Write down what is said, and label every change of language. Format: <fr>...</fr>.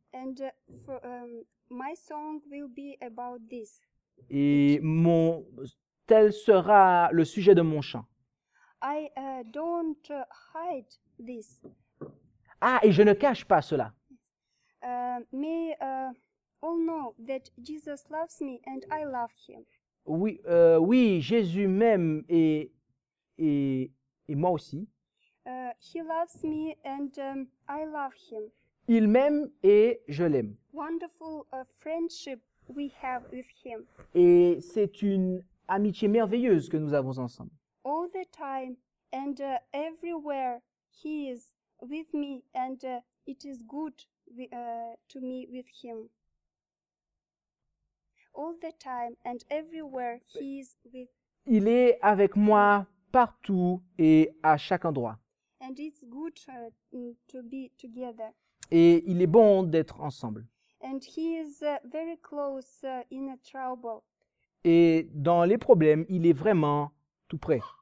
<en>And for, my song will be about this.</en> <fr>Et mon tel sera le sujet de mon chant.</fr> <en>I don't hide this.</en> <fr>Ah, et je ne cache pas cela.</fr> <en>May all know that Jesus loves me and I love him.</en> <fr>Oui, oui, Jésus m'aime et moi aussi.</fr> <en>He loves me and I love him.</en> <fr>Il m'aime et je l'aime.</fr> <en>Wonderful friendship we have with him.</en> <fr>Et c'est une amitié merveilleuse que nous avons ensemble.</fr> <en>All the time and everywhere he is with me and it is good to me with him. All the time and everywhere he is with.</en> <fr>Il est avec moi partout et à chaque endroit.</fr> <en>And it's good to be together.</en> <fr>Et il est bon d'être ensemble.</fr> <en>And he is very close in a trouble.</en> <fr>Et dans les problèmes, il est vraiment tout près.</fr>